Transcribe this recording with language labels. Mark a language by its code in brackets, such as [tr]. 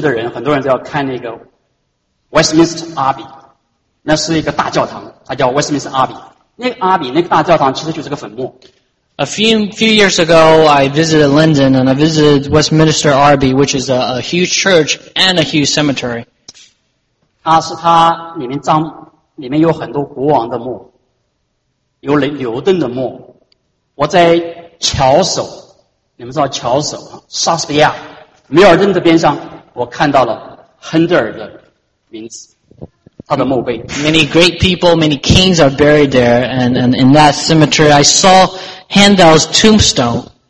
[zh] 几年前我去伦敦，到伦敦去的人，很多人都要看那个 Westminster Abbey， 那是一个大教堂，它叫 Westminster Abbey。那个 Abbey， 那个大教堂其实就是个坟墓。 [en] A few years ago, I visited London, and I visited Westminster Abbey, which is a huge church and a huge cemetery. [zh] 它里面有很多国王的墓，有牛顿的墓。我在桥首，你们知道桥首，莎士比亚，梅尔顿的边上，我看到了亨德尔的名字。 [en] Many great people, many kings are buried there, and in that cemetery, I saw Handel's tombstone.